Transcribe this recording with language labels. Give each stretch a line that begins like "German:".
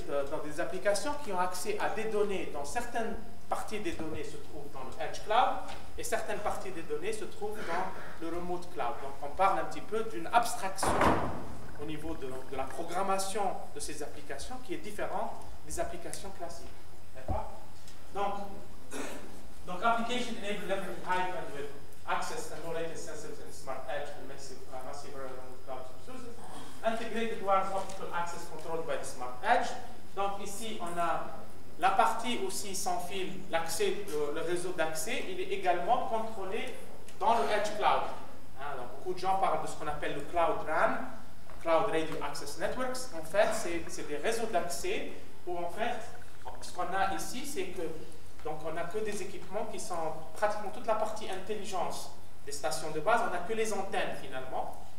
French: Dans des applications qui ont accès à des données, dans certaines parties des données se trouvent dans le Edge Cloud et certaines parties des données se trouvent dans le Remote Cloud. Donc on parle un petit peu d'une abstraction au niveau de la programmation de ces applications qui est différente des applications classiques. D'accord?
English: Donc application enabled leveraging high bandwidth access and low latency sensors in smart edge and massive area on cloud services. Integrated wireless optical access controlled by the smart edge.
French: Donc ici on a la partie aussi sans fil, l'accès, le réseau d'accès, il est également contrôlé dans le Edge Cloud. Hein, donc beaucoup de gens parlent de ce qu'on appelle le Cloud RAN, Cloud Radio Access Networks. En fait, c'est des réseaux d'accès où en fait, ce qu'on a ici, c'est que donc on n'a que des équipements qui sont pratiquement toute la partie intelligence des stations de base. On n'a que les antennes finalement.